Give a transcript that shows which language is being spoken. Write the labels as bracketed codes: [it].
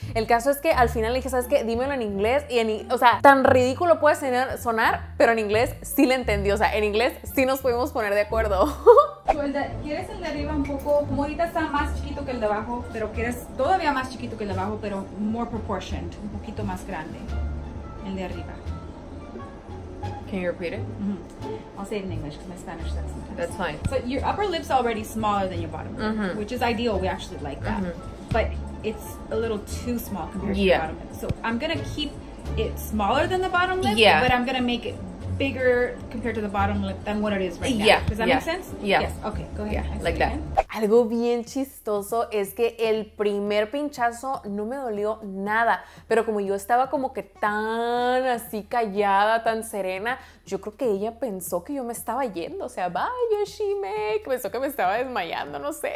[es] El caso es que al final le dije, ¿sabes qué? Dímelo en inglés. O sea, tan ridículo puede sonar, pero en inglés sí le entendí. O sea, en inglés sí nos pudimos poner de acuerdo. ¿Quieres el de arriba un poco? Como ahorita está más chiquito que el de abajo, pero quieres todavía más chiquito que el de abajo, pero [en] more proportioned, [es] un poquito más grande, el de arriba. [en] Can you repeat it? I'll say it in English because my Spanish sucks sometimes. That's fine. So your upper lip's already smaller than your bottom lip, which is ideal. We actually like that. But it's a little too small compared to your bottom lip. So I'm going to keep it smaller than the bottom lip, but I'm going to make it bigger compared to the bottom lip than what it is right now. Does that make sense? Yes. Okay, go ahead. Like that. [es] Algo bien chistoso es que el primer pinchazo no me dolió nada, pero como yo estaba como que tan así callada, tan serena, yo creo que ella pensó que yo me estaba yendo, o sea, vaya Shime, pensó que me estaba desmayando, no sé.